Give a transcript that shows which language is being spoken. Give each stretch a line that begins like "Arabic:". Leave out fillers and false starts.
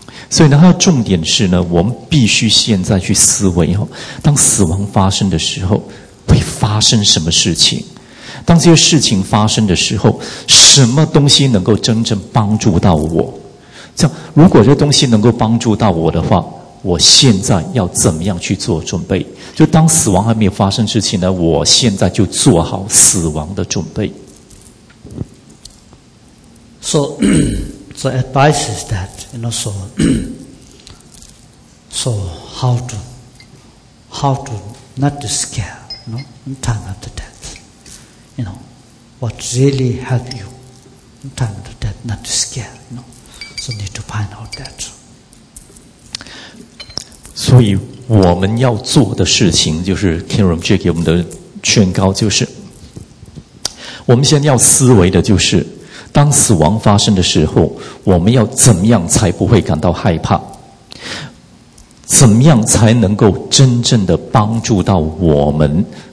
Chinese: 所以呢，它的重点是呢，我们必须现在去思维哦，当死亡发生的时候会发生什么事情，当这些事情发生的时候，什么东西能够真正帮助到我？这样，如果这东西能够帮助到我的话，我现在要怎么样去做准备？就当死亡还没有发生之前呢，我现在就做好死亡的准备。
English: So, the advice is that, you know, so how to not to scare, you know, time after death. You know, what really help you in time of death, not to scare, you know. So need to find out that.
Chinese: 所以我们要做的事情就是 Kiram Jay 给我们的劝告，就是我们现在要思维的就是当死亡发生的时候，我们要怎么样才不会感到害怕，怎么样才能够真正的帮助到我们。